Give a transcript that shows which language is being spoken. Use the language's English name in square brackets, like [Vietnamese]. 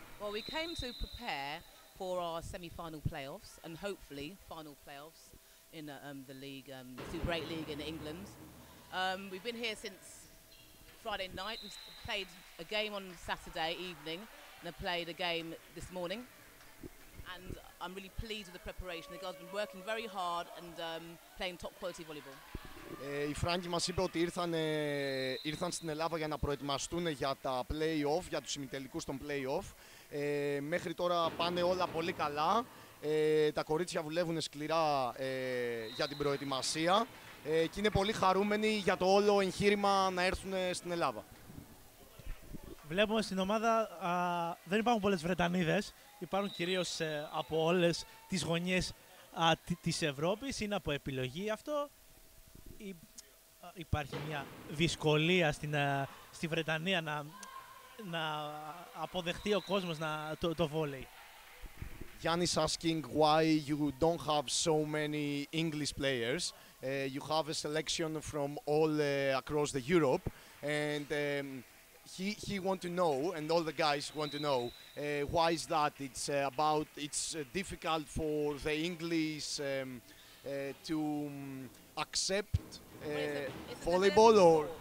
[English] Well, we came to prepare for our semi-final playoffs, and hopefully final playoffs in the league, Super 8 League in England. We've been here since Friday night. We played a game on Saturday evening and have played a game this morning. And I'm really pleased with the preparation. The girls have been working very hard and playing top quality volleyball. [Greek] Οι Φράγκοι μας είπε ότι ήρθαν στην Ελλάδα για να προετοιμαστούν για τα play-off, για τους ημιτελικούς των play-off. Μέχρι τώρα πάνε όλα πολύ καλά. Τα κορίτσια δουλεύουν σκληρά για την προετοιμασία και είναι πολύ χαρούμενοι για το όλο εγχείρημα να έρθουν στην Ελλάδα. Βλέπουμε στην ομάδα δεν υπάρχουν πολλές Βρετανίδες. Υπάρχουν κυρίως από όλες τις γωνιές της Ευρώπης. Είναι από επιλογή αυτό. Υπάρχει μια δυσκολία στη Βρετανία να αποδεχτεί ο κόσμος το βόλεϊ. [English] Yannis asking why you don't have so many English players. You have a selection from all across the Europe, and he want to know, and all the guys want to know why is that? It's about difficult for the English to accept volleyball or